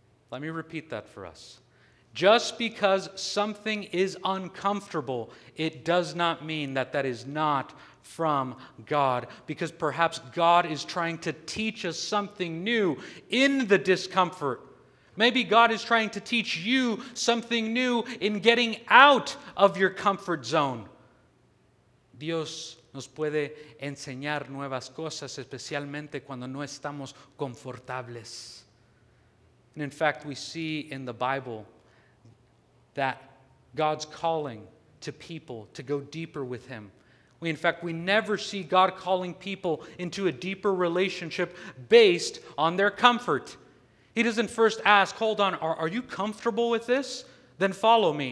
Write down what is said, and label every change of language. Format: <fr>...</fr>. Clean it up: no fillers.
<en>Let me repeat that for us. Just because something is uncomfortable, it does not mean that that is not from God, because perhaps God is trying to teach us something new in the discomfort. Maybe God is trying to teach you something new in getting out of your comfort zone.</en> <es>Dios nos puede enseñar nuevas cosas, especialmente cuando no estamos confortables.</es> <en>And in fact, we see in the Bible that God's calling to people to go deeper with Him. We never see God calling people into a deeper relationship based on their comfort. He doesn't first ask, hold on, are you comfortable with this? Then follow me.</en>